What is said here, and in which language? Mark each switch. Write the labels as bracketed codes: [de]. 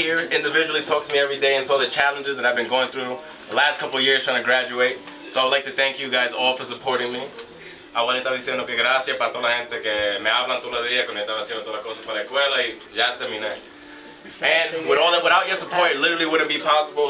[en] Individually talks to me every day and saw the challenges that I've been going through the last couple years trying to graduate. So I would like to thank you guys all for supporting me. I want to say [es] que gracias para toda la gente que me hablan todos los días cuando estaba haciendo todas las cosas para la escuela y ya terminé. [en] And with all that, without your support, it literally wouldn't be possible.